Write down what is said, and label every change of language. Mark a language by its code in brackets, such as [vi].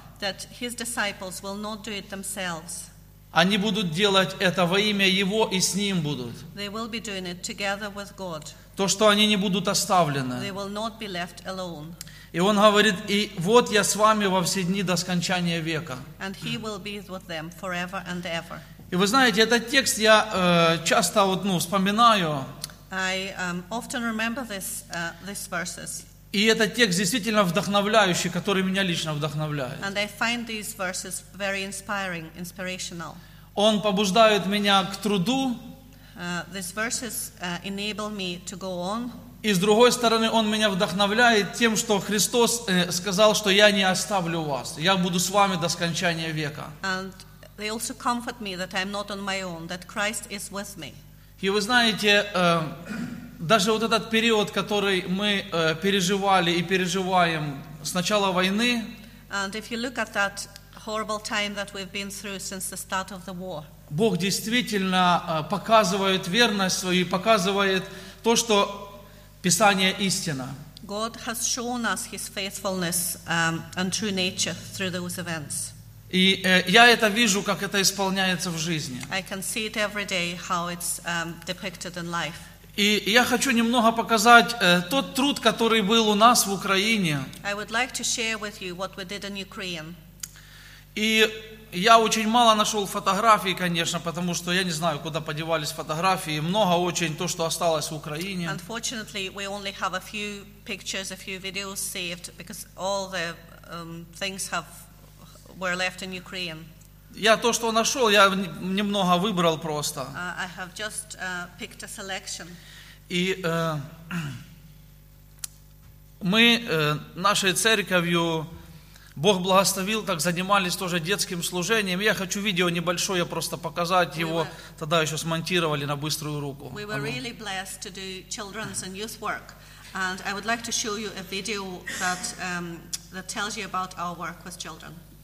[en] that his disciples will not do it themselves. [ru] Они будут делать это во имя Его и с Ним будут. [en] They will be doing it together with God. [ru] То, что они не будут оставлены. [en] They will not be left alone. [ru] И Он говорит, и вот Я с вами во все дни до скончания века. [en] And He will be with them forever and ever. [ru] И вы знаете, этот текст я часто вот, ну, вспоминаю. [en] I often remember this, these verses. [ru] И этот текст действительно вдохновляющий, который меня лично вдохновляет. [en] And I find these verses very inspiring, inspirational. [ru] Он побуждает меня к труду. [en] These verses enable me to go on. [ru] И с другой стороны, Он меня вдохновляет тем, что Христос сказал, что Я не оставлю вас. Я буду с вами до скончания века. [en] And they also comfort me that I'm not on my own, that Christ is with me. [ru] И вы знаете, даже вот этот период, который мы переживали и переживаем с начала войны, [en] and if you look at that horrible time that we've been through since the start of the war, [ru] Бог действительно показывает верность свою и показывает то, что Писание истина. [en] God has shown us His faithfulness and true nature through those events. [ru] И я это вижу, как это исполняется в жизни. [en] I can see it every day, how it's depicted in life. [ru] И я хочу немного показать тот труд, который был у нас в Украине. [en] I would like to share with you what we did in Ukraine. [ru] И я очень мало нашел фотографий, конечно, потому что я не знаю, куда подевались фотографии. Много очень то, что осталось в Украине. [en] Unfortunately, we only have a few pictures, a few videos saved, because all the things have were left in Ukraine. [ru] Я то, что нашел, я немного выбрал просто. [en] I have just picked a selection. [ru] И мы нашей церковью Бог благословил, так занимались тоже детским служением. Я хочу видео небольшое просто показать, его тогда еще смонтировали на быструю руку. [en] We were really blessed to do children's and youth work. And I would like to show you a video that that tells you about our work with children.